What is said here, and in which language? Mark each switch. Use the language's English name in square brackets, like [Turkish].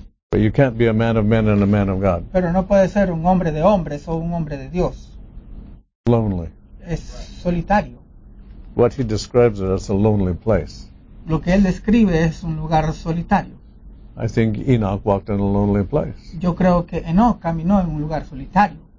[English] But you can't be a man of men and a man of God. [Spanish] Pero no puede ser un hombre de hombres o un hombre de Dios. [English] Lonely. [Spanish] Es solitario. [English] What he describes it as a lonely place. [Spanish] Lo que él describe es un lugar solitario. [English] I think Enoch walked in a lonely place. [Spanish] Yo creo que Enoch caminó en un lugar solitario.